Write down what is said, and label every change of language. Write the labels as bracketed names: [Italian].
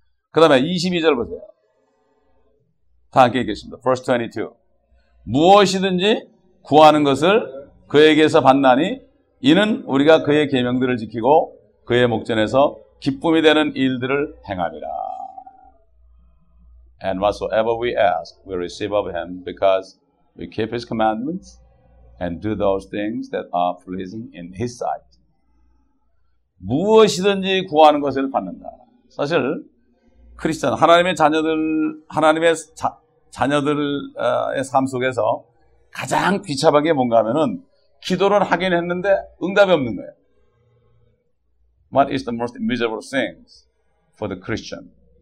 [Korean] 그 다음에 22절 보세요. 다 함께 읽겠습니다. Verse 22. 무엇이든지 구하는 것을 그에게서 받나니 이는 우리가 그의 계명들을 지키고 그의 목전에서 기쁨이 되는 일들을 행함이라. [English] And whatsoever we ask, we receive of him because we keep his commandments and do those things that are pleasing in his sight. [Korean] 무엇이든지 구하는 것을 받는다. 사실 크리스천 하나님의 자녀들 하나님의 자녀들의 삶 속에서 가장 귀찮은 게 뭔가 하면은 기도를 하긴 했는데 응답이 없는 거예요. [English] What is the most miserable thing for the Christian?